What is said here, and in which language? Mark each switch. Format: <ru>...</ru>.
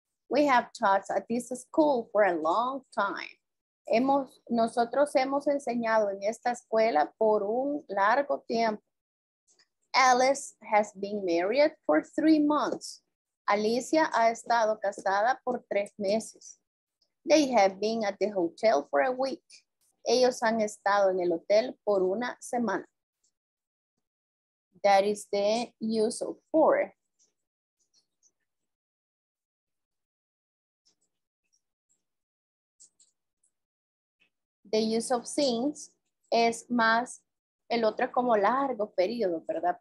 <en>We have taught at this school for a long time.</en> <es>Nosotros hemos enseñado en esta escuela por un largo tiempo.</es> <en>Alice has been married for 3 months.</en> <es>Alicia ha estado casada por 3 meses.</es> <en>They have been at the hotel for a week.</en> <es>Ellos han estado en el hotel por una semana.</es> <en>That is the use of for. The use of since</en> <es>es más, el otro es como largo periodo, ¿verdad?</es>